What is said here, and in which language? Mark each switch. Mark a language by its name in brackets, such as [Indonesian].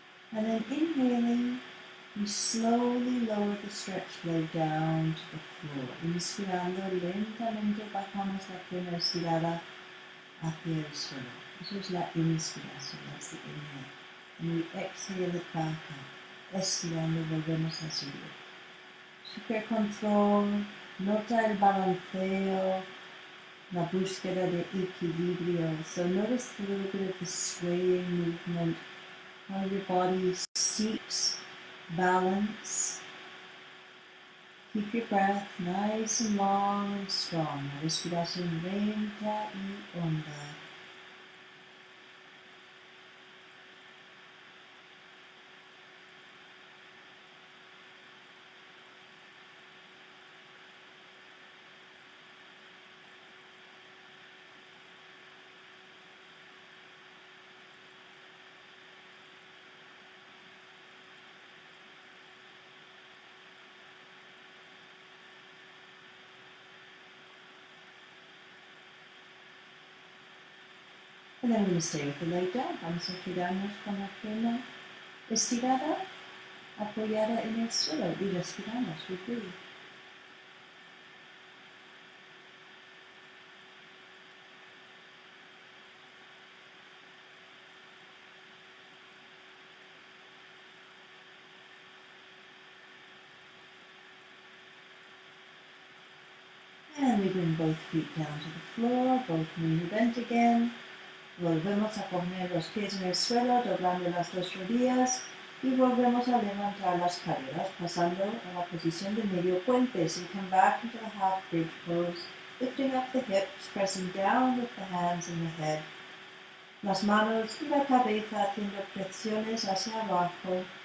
[English] And then inhaling, we slowly lower the stretch leg down to the floor. [Spanish] Inspirando lentamente, bajamos la pierna estirada hacia el suelo. Eso es la inspiración, [English] that's the inhale. And we exhale it back up, [Spanish] estirando, volvemos a subir. Super control, nota el balanceo, la búsqueda de equilibrio. [English] So notice the little bit of the swaying movement. How your body seeks balance. Keep your breath nice and long and strong. [Spanish] Respiración lenta y honda. [English] And then we're going to stay with the leg down. [Spanish] Vamos a quedarnos con la pierna estirada, apoyada en el suelo y respiramos. [English] We breathe. And we bring both feet down to the floor, both knees bent again. [Spanish] Volvemos a poner los pies en el suelo, doblando las dos rodillas. Y volvemos a levantar las caderas, pasando a la posición de medio puente. [English] So come back into the half bridge pose, lifting up the hips, pressing down with the hands and the head. [Spanish] Las manos y la cabeza haciendo flexiones hacia abajo.